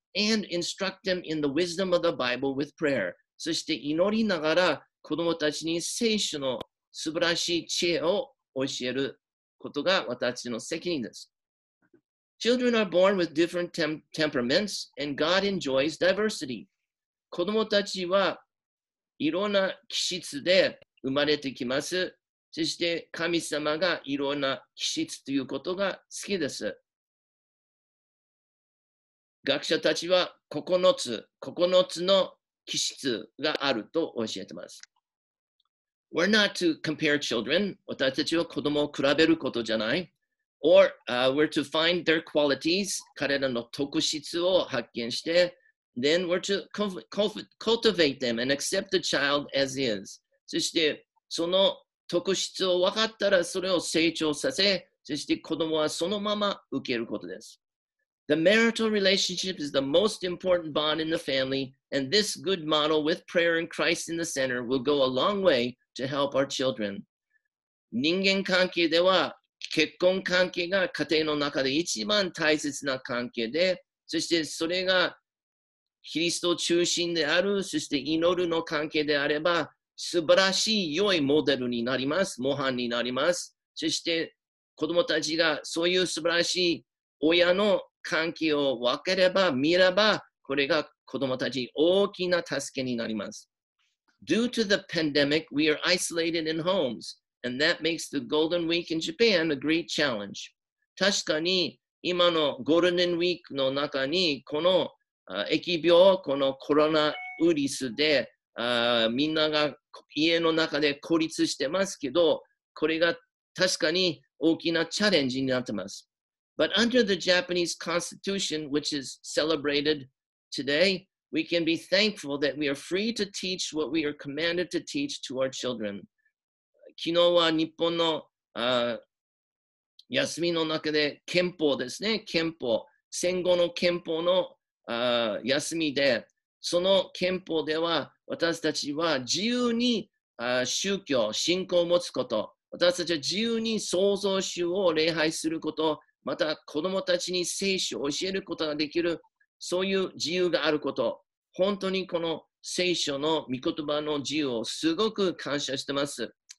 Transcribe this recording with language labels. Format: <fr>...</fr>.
<en>And instruct them in the wisdom of the Bible with prayer.</en> <ja>そして祈りながら子供たちに聖書の素晴らしい知恵を教えることが私の責任です。</ja> <en>Children are born with different temperaments and God enjoys diversity.</en> <ja>子供たちはいろんな気質で生まれてきます。そして神様がいろんな気質ということが好きです。学者たちは9つの気質があると教えています。</ja> <en>We're not to compare children.</en> <ja>私たちは子供を比べることじゃない。</ja> <en>Or, we're to find their qualities.</en> <ja>彼らの特質を発見して、</ja> <en>Then we're to cultivate them and accept the child as is.</en> <ja>そしてその特質を分かったらそれを成長させ、そして子供はそのまま受けることです。</ja> <en>The marital relationship is the most important bond in the family, and this good model with prayer and Christ in the center will go a long way to help our children.</en> <ja>人間関係では結婚関係が家庭の中で一番大切な関係で、そしてそれがキリスト中心である、そして祈るの関係であれば、素晴らしい良いモデルになります。模範になります。そして子供たちがそういう素晴らしい親の関係を分ければ、見れば、これが子供たち大きな助けになります。</ja> <en>Due to the pandemic, we are isolated in homes, and that makes the Golden Week in Japan a great challenge.</en> <ja>確かに今のゴールデンウィークの中に、この疫病、このコロナウイルスで、みんなが家の中で孤立してますけど、これが確かに大きなチャレンジになってます。</ja> <en>But under the Japanese Constitution, which is celebrated today, we can be thankful that we are free to teach what we are commanded to teach to our children.</en> <ja>昨日は日本の休みの中で憲法ですね、憲法、戦後の憲法の休みで、その憲法では私たちは自由に宗教、信仰を持つこと、私たちは自由に創造主を礼拝すること、また子供たちに聖書を教えることができる、そういう自由があること、本当にこの聖書の御言葉の自由をすごく感謝しています。</ja>